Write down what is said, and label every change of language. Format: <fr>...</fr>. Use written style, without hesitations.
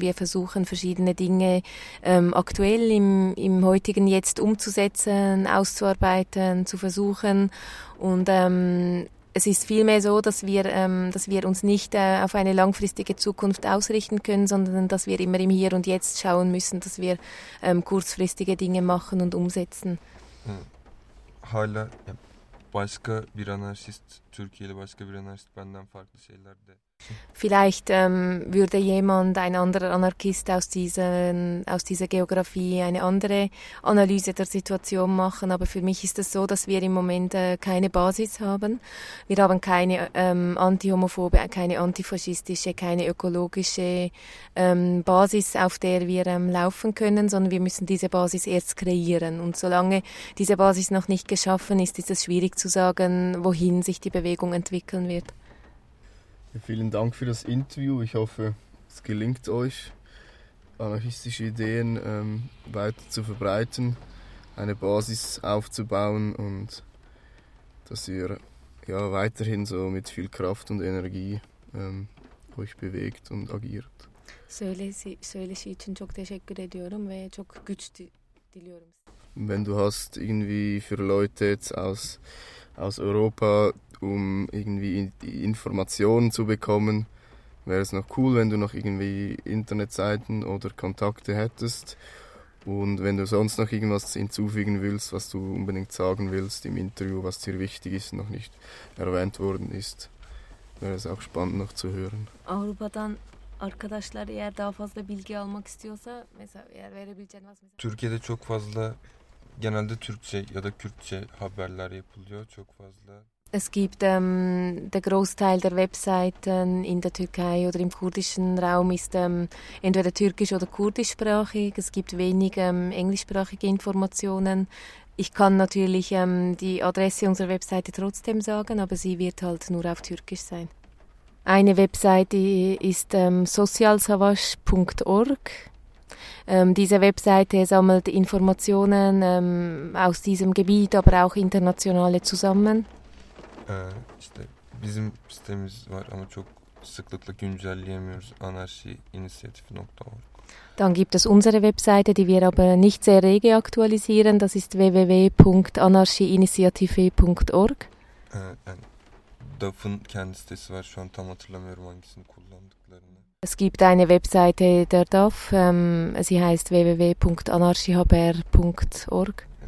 <de>Wir versuchen, verschiedene Dinge aktuell im heutigen Jetzt umzusetzen, auszuarbeiten, zu versuchen. Und es ist vielmehr so, dass wir uns nicht auf eine langfristige Zukunft ausrichten können, sondern dass wir immer im Hier und Jetzt schauen müssen, dass wir kurzfristige Dinge machen und umsetzen.</de> <tr>Hala,</tr> <de>ja.</de> <tr>Başka bir anarşist, Türkiye'li başka bir anarşist benden farklı şeyler de.</tr> <de>Vielleicht würde jemand, ein anderer Anarchist aus dieser Geografie eine andere Analyse der Situation machen, aber für mich ist es so, dass wir im Moment keine Basis haben. Wir haben keine antihomophobe, keine antifaschistische, keine ökologische Basis, auf der wir laufen können, sondern wir müssen diese Basis erst kreieren. Und solange diese Basis noch nicht geschaffen ist, ist es schwierig zu sagen, wohin sich die Bewegung entwickeln wird. Vielen Dank für das Interview. Ich hoffe, es gelingt euch, anarchistische Ideen weiter zu verbreiten, eine Basis aufzubauen und dass ihr ja weiterhin so mit viel Kraft und Energie euch bewegt und agiert.</de> <tr>Söylesi için çok teşekkür ediyorum ve çok güç diliyorum.</tr> <de>Wenn du hast irgendwie für Leute jetzt aus Europa, um irgendwie Informationen zu bekommen, wäre es noch cool, wenn du noch irgendwie Internetseiten oder Kontakte hättest. Und wenn du sonst noch irgendwas hinzufügen willst, was du unbedingt sagen willst im Interview, was dir wichtig ist, noch nicht erwähnt worden ist, wäre es auch spannend noch zu hören.</de> <tr>Avrupa'dan arkadaşlar eğer daha fazla bilgi almak istiyorsa, mesela eğer verebileceğin varsa mesela... Türkiye'de çok fazla genelde Türkçe ya da Kürtçe haberler yapılıyor, çok fazla.</tr> <de>Es gibt der Großteil der Webseiten in der Türkei oder im kurdischen Raum ist entweder türkisch oder kurdischsprachig. Es gibt wenig englischsprachige Informationen. Ich kann natürlich die Adresse unserer Webseite trotzdem sagen, aber sie wird halt nur auf Türkisch sein. Eine Webseite ist socialsavas.org. Diese Webseite sammelt Informationen aus diesem Gebiet, aber auch internationale zusammen.</de> <tr>İşte bizim sitemiz var ama çok sıklıkla güncelleyemiyoruz. anarchiinitiative.org.</tr> <de>Dann gibt es unsere Webseite, die wir aber nicht sehr rege aktualisieren. Das ist www.anarchiinitiative.org.</de> <tr>DAF'ın kendi sitesi var. Şu an tam hatırlamıyorum hangisini kullandıklarını.</tr> <de>Es gibt eine Webseite der DAF. Sie heißt www.anarchihaber.org.</de>